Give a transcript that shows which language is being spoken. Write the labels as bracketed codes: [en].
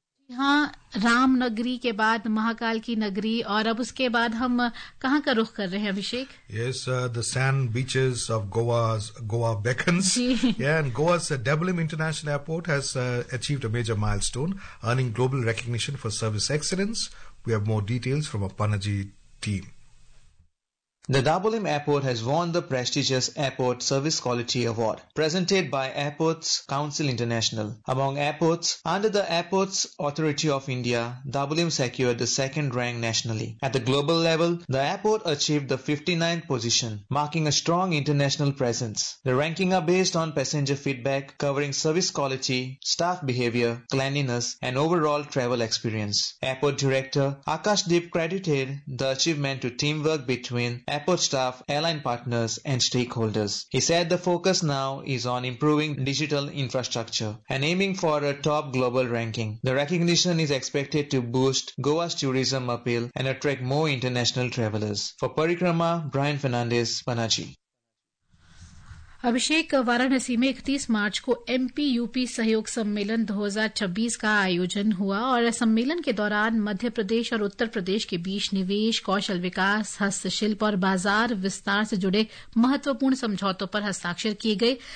[hi] यहाँ राम नगरी के बाद महाकाल की नगरी, और अब उसके बाद हम कहाँ का रुख कर रहे हैं अभिषेक? [en] Yes, the sand beaches of Goa beckons. And Goa Dabolim International Airport has achieved a major milestone, earning global recognition for service excellence. We have more details from अपनाजी team. The Dabolim Airport has won the prestigious Airport Service Quality Award, presented by Airports Council International. Among airports, under the Airports Authority of India, Dabolim secured the second rank nationally. At the global level, the airport achieved the 59th position, marking a strong international presence. The ranking are based on passenger feedback covering service quality, staff behavior, cleanliness, and overall travel experience. Airport Director Akashdeep credited the achievement to teamwork between airport staff, airline partners and stakeholders. He said the focus now is on improving digital infrastructure and aiming for a top global ranking. The recognition is expected to boost Goa's tourism appeal and attract more international travelers. For Parikrama, Brian Fernandez, Panaji. [hi] अभिषेक, वाराणसी में 31 मार्च को MP UP सहयोग सम्मेलन 2026 का आयोजन हुआ, और सम्मेलन के दौरान मध्य प्रदेश और उत्तर प्रदेश के बीच निवेश, कौशल विकास, हस्तशिल्प और बाजार विस्तार से जुड़े महत्वपूर्ण समझौतों पर हस्ताक्षर किए गए।